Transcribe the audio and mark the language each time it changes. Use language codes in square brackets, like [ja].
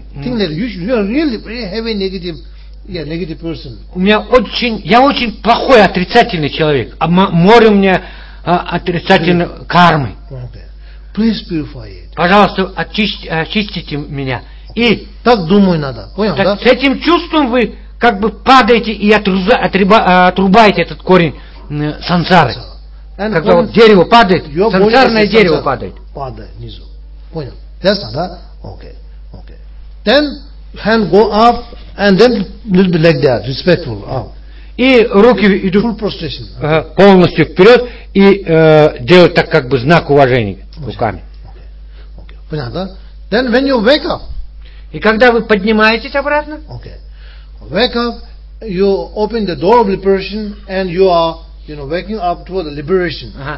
[en] Think that you are really very heavy negative. Yeah, negative person. [ru] У меня очень, я очень плохой отрицательный человек. Море у меня отрицательной кармы. Please purify it. Пожалуйста, очистите меня. И так думаю надо. Понял, так, да? С этим чувством вы как бы падаете и отрубаете этот корень сансары. And когда вот дерево падает, сансарное дерево падает. Падает внизу. Понял? Ясно, да? Окей. Окей. [en] Then, hand go up, and then little bit like that, respectful. [ru] И руки идут [en] full prostration. [ru] Полностью вперед и делают так, как бы знак уважения руками. [en] Okay. Okay. [ru] Понял, да? [en] Then, when you wake up. [ru] И когда вы поднимаетесь обратно. [en] Okay. Wake up, you open the door of liberation, and you are, you know, waking up toward the liberation.